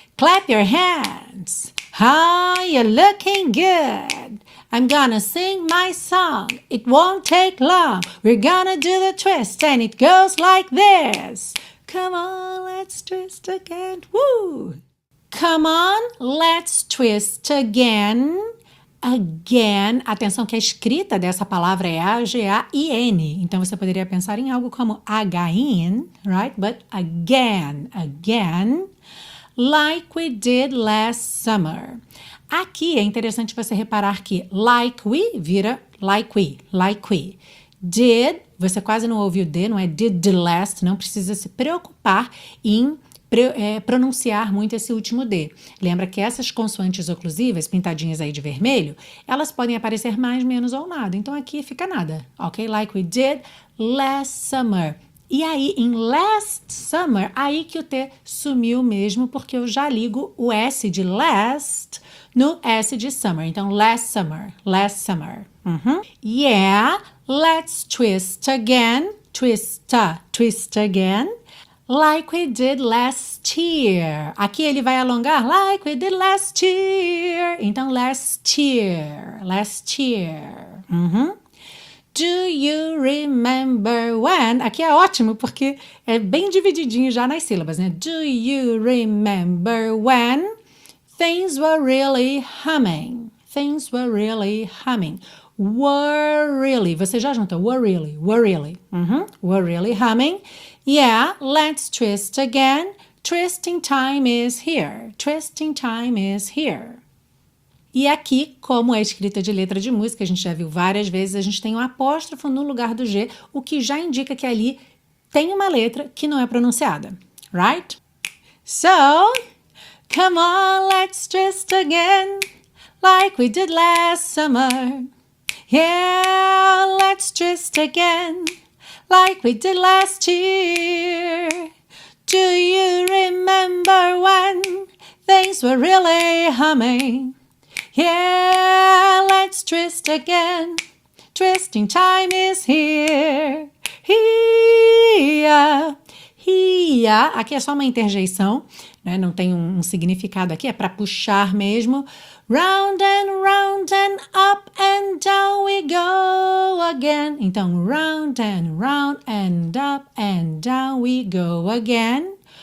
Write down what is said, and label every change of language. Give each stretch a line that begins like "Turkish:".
English: Clap your hands. Oh, you're looking good. I'm gonna sing my song. It won't take long. We're gonna do the twist and it goes like this. Come on, let's twist again. Woo! Come on, let's twist again. Again.
Portuguese: Atenção que a escrita dessa palavra é A-G-A-I-N. Então você poderia pensar em algo como again, right?
English: But again, again. Like we did last summer.
Portuguese: Aqui é interessante você reparar que
English: like we
Portuguese: vira like we. Did, você quase não ouviu D, não é
English: did the last,
Portuguese: não precisa se preocupar em pronunciar muito esse último D. Lembra que essas consoantes oclusivas, pintadinhas aí de vermelho, elas podem aparecer mais, menos ou nada. Então aqui fica nada, ok?
English: Like we did last summer.
Portuguese: E aí, em last summer, aí que o T sumiu mesmo, porque eu já ligo o S de last no S de summer.
English: Então, last summer, last summer. Uhum. Yeah, let's twist again, twist, twist again, like we did last year.
Portuguese: Aqui ele vai alongar,
English: like we did last year. Então, last year, last year. Uhum. Do you remember when?
Portuguese: Aqui é ótimo porque é bem divididinho já nas sílabas, né?
English: Do you remember when things were really humming? Things were really humming. Were really.
Portuguese: Você já juntou?
English: Were really. Were really. Uh-huh. Were really humming. Yeah, let's twist again. Twisting time is here. Twisting time is here.
Portuguese: E aqui, como é escrita de letra de música, a gente já viu várias vezes, a gente tem um apóstrofo no lugar do G, o que já indica que ali tem uma letra que não é pronunciada.
English: Right? So, come on, let's twist again, like we did last summer. Yeah, let's twist again, like we did last year. Do you remember when things were really humming? Yeah, let's twist again. Twisting time is here. Here, here.
Portuguese: Aqui é só uma interjeição, né? Não tem um significado aqui, é para puxar mesmo.
English: Round and round and up and down we go again. Então, round and round and up and down we go again.